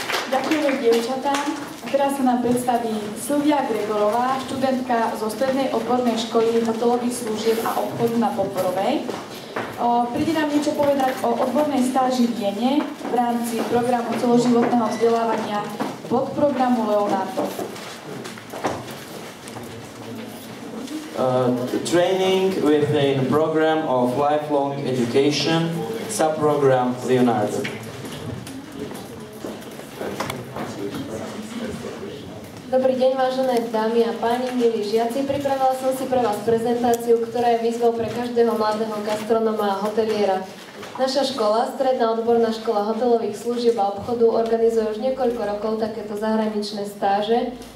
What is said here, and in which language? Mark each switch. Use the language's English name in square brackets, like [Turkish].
[Slovak] Ďakujeme dievčatám. A teraz sa nám predstaví Silvia Gregorová, študentka zo Strednej odbornej školy hotelových služieb a obchodu na Poporovej. Príde nám niečo povedať o odbornej stáži v Jene v rámci programu celoživotného vzdelávania pod programu Leonardo. [English] Training within a program of lifelong education, sub-program Leonardo. [Slovak] Dobrý deň, vážené dámy a páni, milí žiaci. Pripravila som si pre vás prezentáciu, ktorá je výzvou pre každého mladého gastronoma a hoteliera. Naša škola, Stredná odborná škola hotelových služieb a obchodu, organizuje už niekoľko rokov takéto zahraničné stáže.